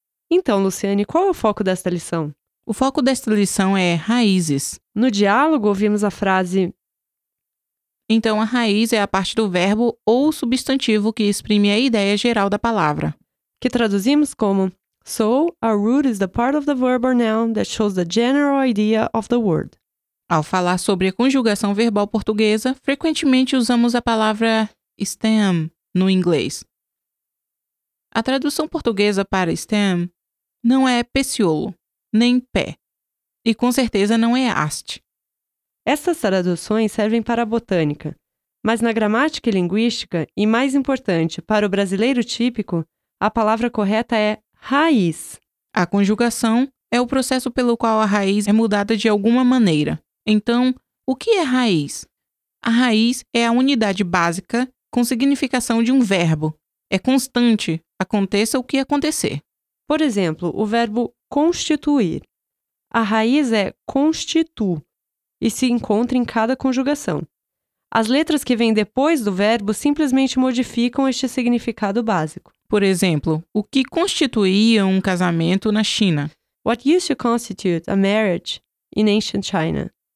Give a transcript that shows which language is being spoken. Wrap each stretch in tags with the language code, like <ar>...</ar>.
<pt>Então, Luciane, qual é o foco desta lição? O foco desta lição é raízes. No diálogo, ouvimos a frase... Então, a raiz é a parte do verbo ou substantivo que exprime a ideia geral da palavra. Que traduzimos como...</pt> <en>So, a root is the part of the verb or noun that shows the general idea of the word.</en> <pt>Ao falar sobre a conjugação verbal portuguesa, frequentemente usamos a palavra stem no inglês. A tradução portuguesa para stem não é pecíolo, nem pé, e com certeza não é haste. Essas traduções servem para a botânica, mas na gramática e linguística, e mais importante, para o brasileiro típico, a palavra correta é raiz. A conjugação é o processo pelo qual a raiz é mudada de alguma maneira. Então, o que é raiz? A raiz é a unidade básica com significação de um verbo. É constante, aconteça o que acontecer. Por exemplo, o verbo constituir. A raiz é constitu e se encontra em cada conjugação. As letras que vêm depois do verbo simplesmente modificam este significado básico. Por exemplo, o que constituía um casamento na China?</pt> <en>What used to constitute a marriage in ancient China?</en>